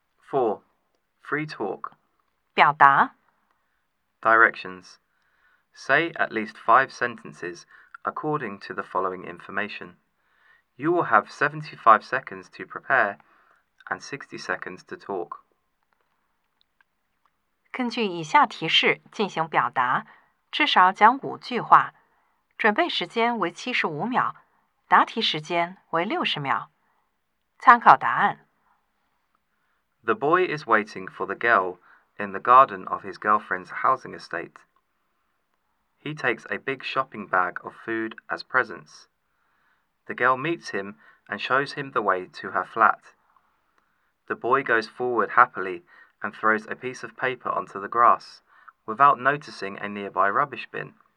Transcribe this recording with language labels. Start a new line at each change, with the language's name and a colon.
English: 4. Free talk.
Chinese: 表达
English: Directions. Say at least 5 sentences according to the following information. You will have 75 seconds to prepare,and 60 seconds to talk.
Chinese: 根据以下提示进行表达，至少讲五句话。准备时间为75秒，答题时间为60秒。参考答案。
English: The boy is waiting for the girl in the garden of his girlfriend's housing estate. He takes a big shopping bag of food as presents. The girl meets him and shows him the way to her flat. The boy goes forward happily and throws a piece of paper onto the grass, without noticing a nearby rubbish bin.